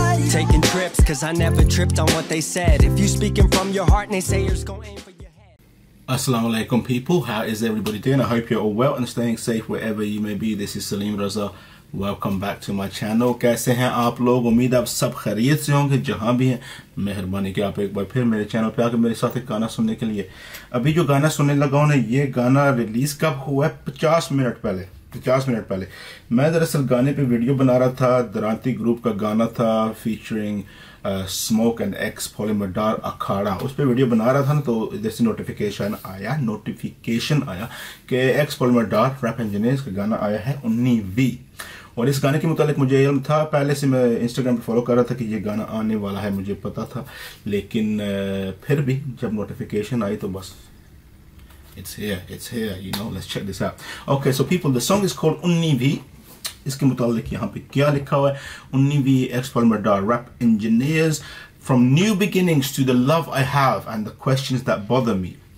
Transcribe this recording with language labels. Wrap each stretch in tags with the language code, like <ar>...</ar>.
<en>taking trips, cause I never tripped on what they said. If you speaking from your heart and they say you're just gonna aim for your head. Assalamu alaikum people, how is everybody doing? I hope you're all well and staying safe wherever you may be. This is Salim Raza. Welcome back to my channel.</en> <hi>कैसे हैं आप लोग? उम्मीद है आप सब खैरियत से होंगे जहां भी हैं. मेहरबानी की आप एक बार फिर मेरे चैनल पे आके मेरे साथ एक गाना सुनने के लिए. अभी जो गाना सुनने लगा हूं ना, ये गाना रिलीज कब हुआ है? 50 मिनट पहले. मैं दरअसल गाने पे वीडियो बना रहा था. दरांती ग्रुप का गाना था फीचरिंग स्मोक एंड एक्सपोलिमर डार अखाड़ा. उस पर वीडियो बना रहा था ना, तो इधर से नोटिफिकेशन आया कि एक्सपोलिमर डार रैप इंजीनियर का गाना आया है उन्नी वी. और इस गाने के मुतालिक मुझे इल्म था पहले से. मैं इंस्टाग्राम पर फॉलो कर रहा था कि ये गाना आने वाला है, मुझे पता था. लेकिन फिर भी जब नोटिफिकेशन आई तो बस</hi> <en>it's here, you know, let's check this out. Okay, so people, the song is called Unni Vi.</en> <hi>Iske mutalliq yahan pe kya likha hua hai?</hi> <en>Unni Vi, Xpolymer Dar, rap engineers. From new beginnings to the love I have and the questions that bother me.</en>